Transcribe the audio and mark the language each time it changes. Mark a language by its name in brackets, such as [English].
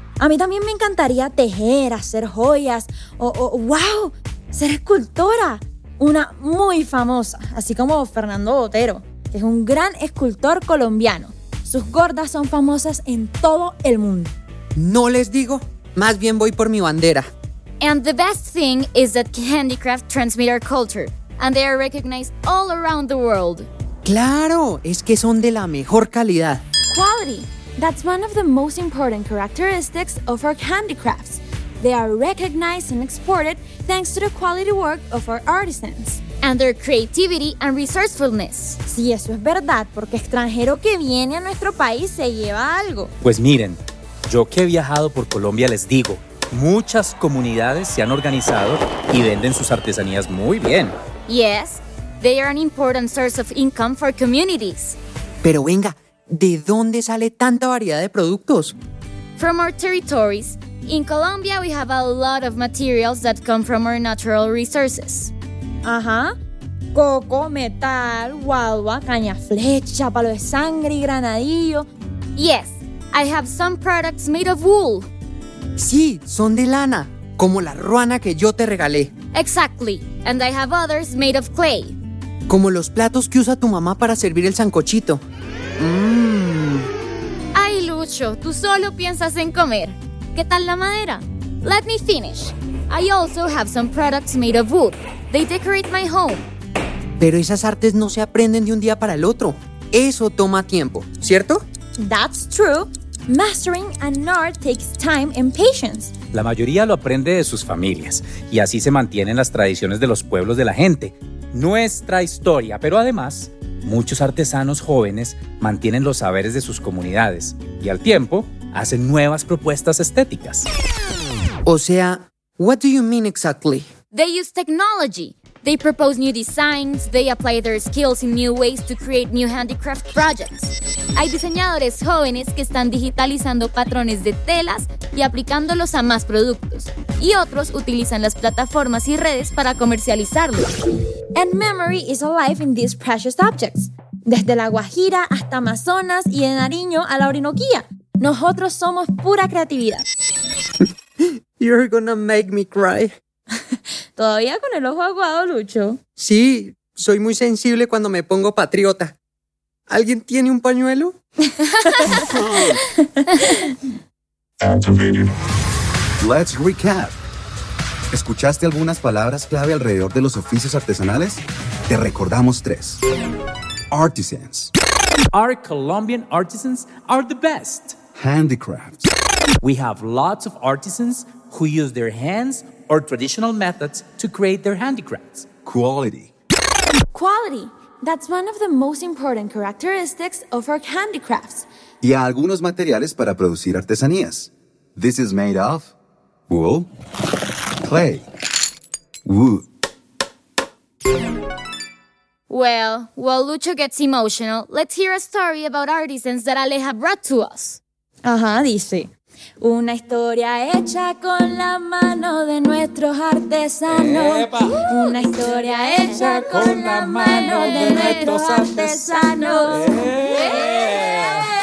[Spanish] A mí también me encantaría tejer, hacer joyas o ser escultora. Una muy famosa, así como Fernando Botero, que es un gran escultor colombiano. Sus gordas son famosas en todo el mundo. No les digo, más bien voy por mi bandera. [English] And the best thing is that handicraft transmit our culture, and they are recognized all around the world. [Spanish] ¡Claro! Es que son de la mejor calidad. [English] Quality. That's one of the most important characteristics of our handicrafts. They are recognized and exported thanks to the quality work of our artisans. And their creativity and resourcefulness. [Spanish] Sí, eso es verdad, porque extranjero que viene a nuestro país se lleva algo. Pues miren, yo que he viajado por Colombia les digo, muchas comunidades se han organizado y venden sus artesanías muy bien. [English] Yes, they are an important source of income for communities. [Spanish] Pero venga, ¿de dónde sale tanta variedad de productos? [English] From our territories. In Colombia, we have a lot of materials that come from our natural resources. [Spanish] Ajá. Coco, metal, guagua, caña flecha, palo de sangre y granadillo. [English] Yes, I have some products made of wool. [Spanish] Sí, son de lana, como la ruana que yo te regalé. [English] Exactly, and I have others made of clay. [Spanish] Como los platos que usa tu mamá para servir el sancochito. Ay, Lucho, tú solo piensas en comer. ¿Qué tal la madera? [English] Let me finish. I also have some products made of wood. They decorate my home. [Spanish] Pero esas artes no se aprenden de un día para el otro. Eso toma tiempo, ¿cierto? [English] That's true. Mastering an art takes time and patience. [Spanish] La mayoría lo aprende de sus familias y así se mantienen las tradiciones de los pueblos de la gente. Nuestra historia, pero además, muchos artesanos jóvenes mantienen los saberes de sus comunidades y al tiempo hacen nuevas propuestas estéticas. O sea, [English] what do you mean exactly? They use technology. They propose new designs, they apply their skills in new ways to create new handicraft projects. [Spanish] Hay diseñadores jóvenes que están digitalizando patrones de telas y aplicándolos a más productos. Y otros utilizan las plataformas y redes para comercializarlos. [English] And memory is alive in these precious objects. [Spanish] Desde la Guajira hasta Amazonas y de Nariño a la Orinoquía. Nosotros somos pura creatividad. [English] You're gonna make me cry. [Spanish] ¿Todavía con el ojo aguado, Lucho? Sí, soy muy sensible cuando me pongo patriota. ¿Alguien tiene un pañuelo? [English] Let's recap. [Spanish] ¿Escuchaste algunas palabras clave alrededor de los oficios artesanales? Te recordamos tres. Artisans. [English] Our Colombian artisans are the best. Handicrafts. We have lots of artisans who use their hands or traditional methods to create their handicrafts. Quality. Quality. That's one of the most important characteristics of our handicrafts. [Spanish] Y algunos materiales para producir artesanías. [English] This is made of wool, clay, wood. Well, while Lucho gets emotional, let's hear a story about artisans that Aleja brought to us. [Spanish] Ajá, dice. Una historia hecha con la mano de nuestros artesanos. ¡Epa! Una historia hecha con la mano de nuestros artesanos.